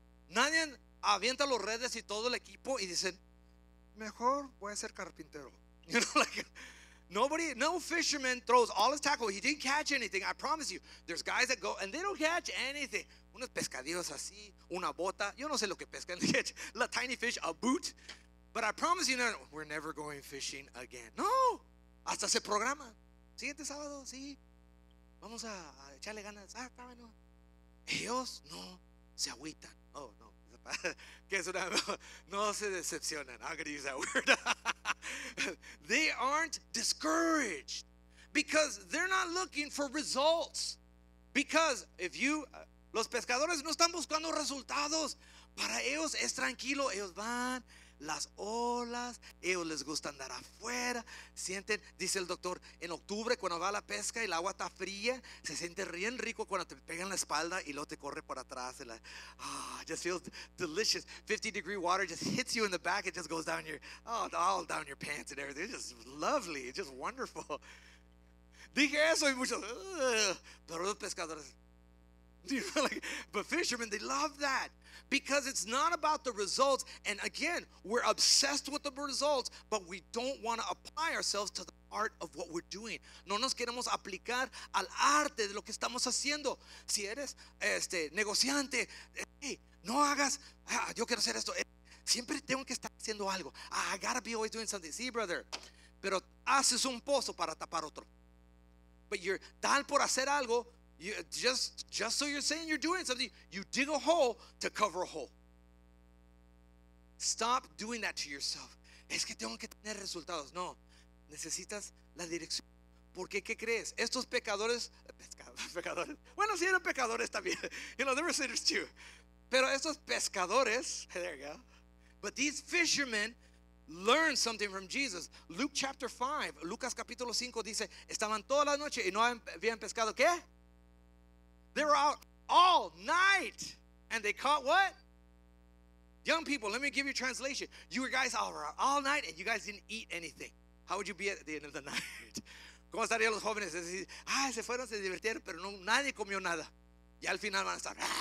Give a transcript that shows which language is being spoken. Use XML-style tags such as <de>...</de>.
<es>Nadie avienta los redes y todo el equipo y dicen, mejor voy a ser carpintero.</es> <en>You know, like, nobody, no fisherman throws all his tackle. He didn't catch anything. I promise you. There's guys that go and they don't catch anything.</en> <es>Unos pescadillos así, una bota. Yo no sé lo que pescan.</es> <en>La tiny fish, a boot. But I promise you, no, we're never going fishing again.</en> <es>No. Hasta se programa. Siguiente sábado, sí. Vamos a echarle ganas. Ah, está bueno. Ellos no se agüitan. Oh, no. Que es una, no se decepcionan.</es> <en>I'm going to use that word. They aren't discouraged because they're not looking for results. Because if you,</en> <es>los pescadores no están buscando resultados. Para ellos es tranquilo. Ellos van las olas. Ellos les gusta andar afuera. Sienten, dice el doctor, en octubre cuando va a la pesca y el agua está fría, se siente bien rico cuando te pegan la espalda y luego te corre por atrás.</es> <en>Ah, oh, just feels delicious. 50 degree water just hits you in the back. It just goes down your, oh, all down your pants and everything. It's just lovely. It's just wonderful.</en> <es>Dije eso y muchos, pero los pescadores.</es> <en>But fishermen, they love that because it's not about the results. And again, we're obsessed with the results, but we don't want to apply ourselves to the art of what we're doing.</en> <es>No nos queremos aplicar al arte de lo que estamos haciendo. Si eres negociante, hey, no hagas, yo quiero hacer esto. Siempre tengo que estar haciendo algo.</es> <en>I gotta be always doing something.</en> <es>Sí, brother. Pero haces un pozo para tapar otro.</es> <en>But you're</en> <es>tal por hacer algo.</es> <en>You, just so you're saying you're doing something, you dig a hole to cover a hole. Stop doing that to yourself.</en> <es>Es que tengo que tener resultados. No, necesitas la dirección. ¿Por qué? ¿Qué crees? Estos pecadores, pecadores. Bueno, si eran pecadores también.</es> <en>You know, they were sinners too.</en> <es>Pero estos pescadores,</es> <en>there you go. But these fishermen learn something from Jesus.</en> <es>Luke chapter 5, Lucas capítulo 5 dice, estaban toda la noche y no habían pescado, ¿qué?</es> <en>They were out all night and they caught what? Young people, let me give you a translation. You guys were out all night and you guys didn't eat anything. How would you be at the end of the night?</en> <es>¿Cómo estarían los jóvenes? Ah, se fueron, se divirtieron, pero nadie comió nada. Y al final van a estar.</es>